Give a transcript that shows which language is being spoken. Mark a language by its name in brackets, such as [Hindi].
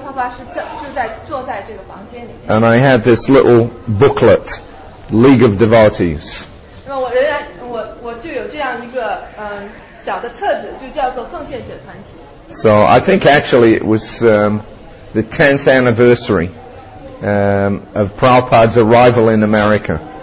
[Chinese] 然后呢，二十年之后，在1976年的时候呢，那么我和Shri Prabhupada是坐在这个房间里面。 [English] And I had this little booklet, League of Devotees. [Chinese] 那么我就有这样一个小的册子，就叫做奉献者团体。 [English] So I think actually it was the 10th anniversary of Prabhupada's arrival in America.